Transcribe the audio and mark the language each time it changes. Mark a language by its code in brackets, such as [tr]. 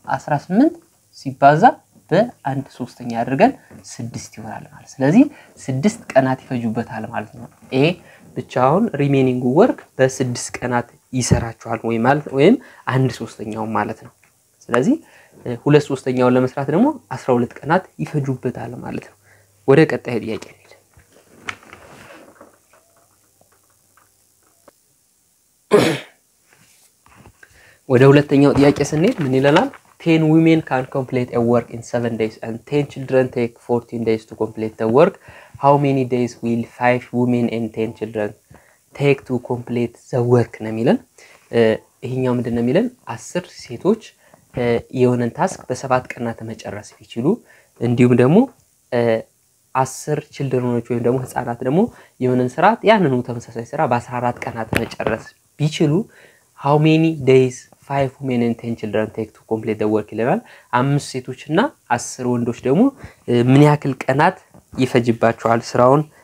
[am] 18 ሲባዛ በአንድ ሶስተኛ አድርገን ስድስት ይሆናል ማለት ስለዚህ ስድስት ቀናት ይፈጁበታል ማለት ነው። ኤ ብቻውን ሪሜኒንግ ወርክ በስድስት ቀናት ይሰራቸዋል ወይ ማለት ወይም አንድ ሶስተኛው ማለት ነው። ስለዚህ ሁለት ሶስተኛውን ለመስራት ደግሞ 12 ቀናት ይፈጁበታል ማለት ነው። ወደ ቀጣይ ጥያቄ ወደ ሁለተኛው ጥያቄ ስንሄድ ምን ይለናል? [en] 10 women can complete a work in 7 days and 10 children take 14 days to complete the work. How many days will 5 women and 10 children take to complete the work? [am] ነው የሚለን ይሄኛው ምንድነው የሚለን 10 ሴቶች የሆነን ታስክ በሰባት ቀናት መጨረስ ይችሉ እንዲሁም ደግሞ 10 ቺልድረኖች ወይም ደግሞ ህፃናት ደግሞ የሆነን ስራ ያንኑ ተመሳሳይ ስራ በ14 ቀናት መጨረስ ቢችሉ [en] how many days 5 women and 10 children take to complete the work [am] ይለናል። አምስት ሴቶችና 10 ወንዶች ደግሞ ምን ያክል ቀናት ይፈጅባቸዋል ስራውን